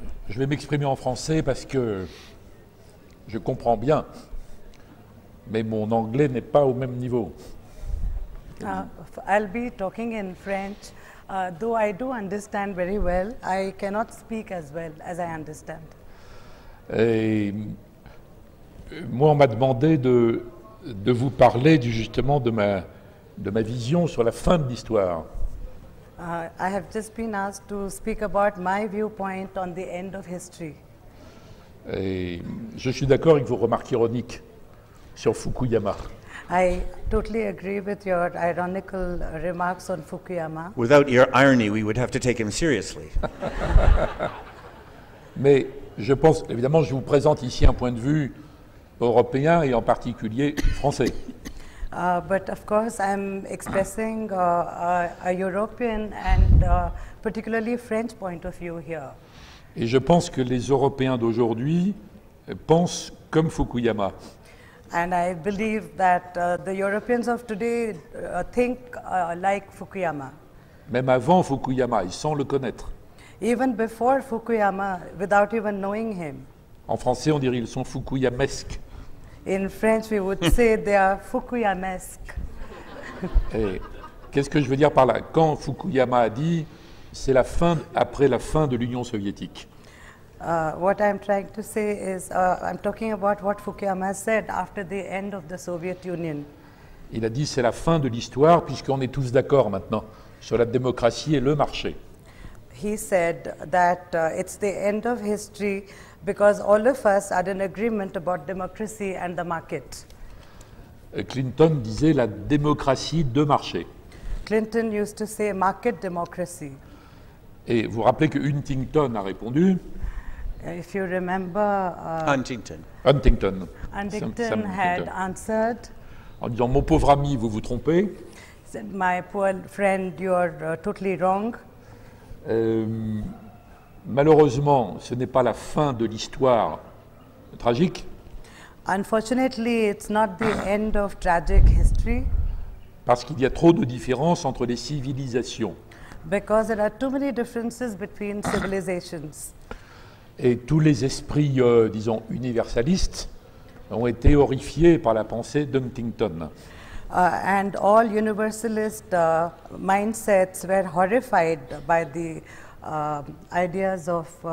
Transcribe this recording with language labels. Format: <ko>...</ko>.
<fr>Je vais m'exprimer en français parce que je comprends bien, mais mon anglais n'est pas au même niveau.</fr> <en>I'll be talking in French, though I do understand very well. I cannot speak as well as I understand.</en> <fr>Et moi, on m'a demandé de vous parler justement de ma vision sur la fin de l'histoire.</fr> <en>I have just been asked to speak about my viewpoint on the end of history.</en> <fr>Et je suis d'accord avec vos remarques ironiques. sur Fukuyama.</fr> <en>I totally agree with your ironical remarks on Fukuyama. Without your irony, we would have to take him seriously.</en> <fr>Mais je pense, évidemment, je vous présente ici un point de vue européen et en particulier français.</fr> <en>But of course, I'm expressing a European and particularly French point of view here.</en> <fr>Et je pense que les Européens d'aujourd'hui pensent comme Fukuyama.</fr> <en>And I believe that the Europeans of today think like Fukuyama.</en> <fr>Même avant Fukuyama, et sans le connaître.</fr> <en>Even before Fukuyama, without even knowing him.</en> <fr>En français, on dirait ils sont Fukuyamesques.</fr> <en>In French, we would say they are Fukuyamesque.</en> <fr>Et qu'est-ce que je veux dire par là? Quand Fukuyama a dit, c'est la fin après la fin de l'Union soviétique.</fr> <en>What I'm trying to say is, I'm talking about what Fukuyama said after the end of the Soviet Union.</en> <fr>Il a dit c'est la fin de l'histoire puisqu'on est tous d'accord maintenant sur la démocratie et le marché.</fr> <en>He said that it's the end of history because all of us are in agreement about democracy and the market.</en> <fr>Clinton disait la démocratie de marché.</fr> <en>Clinton used to say market democracy.</en> <fr>Et vous rappelez que Huntington a répondu.</fr> <en>If you remember, Huntington had answered.</en> <fr>En disant, mon pauvre ami, vous vous trompez.</fr> <en>Said, my poor friend, you are totally wrong.</en> <fr>Malheureusement, ce n'est pas la fin de l'histoire tragique.</fr> <en>Unfortunately, it's not the end of tragic history.</en> <fr>Parce qu'il y a trop de différences entre les civilisations.</fr> <en>Because there are too many differences between civilizations.</en> <fr>Et tous les esprits, disons, universalistes ont été horrifiés par la pensée d'Huntington.</fr> <en>And all universalist mindsets were horrified by the ideas of</en>